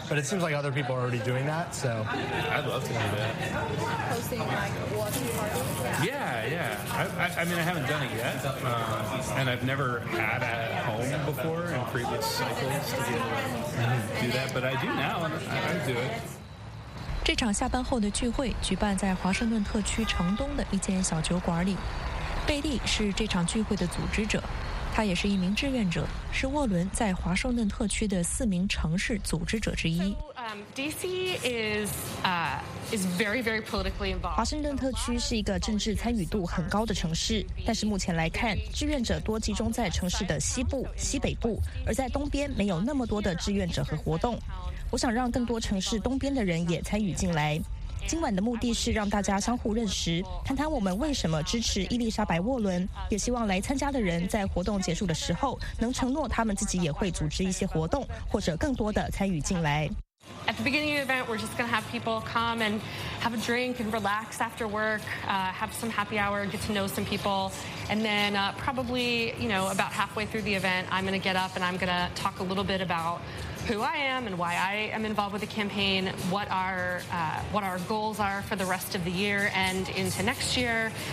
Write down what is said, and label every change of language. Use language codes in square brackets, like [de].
[en] But it seems like other people are already doing that, so. I'd love to do that. Hosting like watching parties? Yeah. I haven't done it yet, and I've never had at home before in previous cycles to be able to do that, but I do now, and I'd do it. [zh] 这场下班后的聚会举办在华盛顿特区城东的一间小酒馆里。贝利是这场聚会的组织者。他也是一名志愿者，是沃伦在华盛顿特区的四名城市组织者之一。华盛顿特区是一个政治参与度很高的城市，但是目前来看，志愿者多集中在城市的西部、西北部，而在东边没有那么多的志愿者和活动。我想让更多城市东边的人也参与进来。今晚的目的是让大家相互认识，谈谈我们为什么支持伊丽莎白·沃伦，也希望来参加的人在活动结束的时候能承诺他们自己也会组织一些活动，或者更多的参与进来。 [en] At the beginning of the event, we're just going to have people come and have a drink and relax after work, have some happy hour, get to know some people, and then probably, you know, about halfway through the event, I'm going to get up and I'm going to talk a little bit about who I am and why I am involved with the campaign, what our goals are for the rest of the year and into next year.